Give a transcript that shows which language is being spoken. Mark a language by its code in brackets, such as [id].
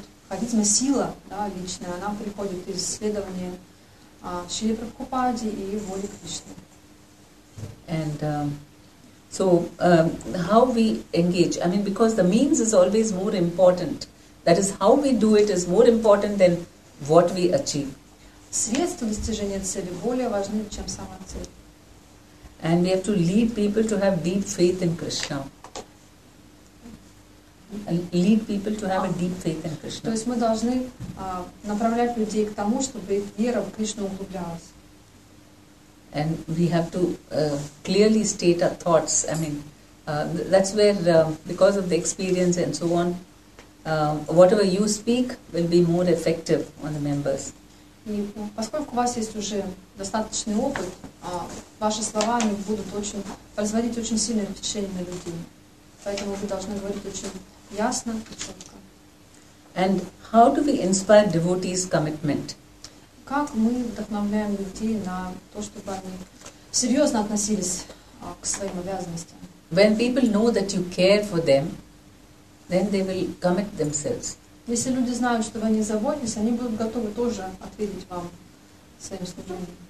[ru] Харизма, сила, да, личная, она приходит из исследования Шри Прабхупады и воли Кришны. [en] And how we engage? I mean, because the means is always more important. That is, how we do it is more important than what we achieve. [ru] Средства достижения цели более важны, чем сама цель. [en] And we have to lead people to have deep faith in Krishna. Lead people to have a deep faith in Krishna. [ru] То есть мы должны направлять людей к тому, чтобы вера в Кришну углублялась. [en] And we have to clearly state our thoughts. I mean, that's where, because of the experience and so on, whatever you speak will be more effective on the members. [ru] И поскольку у вас есть уже достаточный опыт, ваши слова они будут очень производить очень сильное впечатление на людей. Поэтому вы должны говорить очень ясно и четко. [en] And how do we inspire devotees' commitment? [ru] Как мы вдохновляем людей на то, чтобы они серьезно относились к своим обязанностям? [en] When people know that you care for them, then they will commit themselves. [ru] Если люди знают, что вы о них заботитесь, они будут готовы тоже ответить вам своим служением.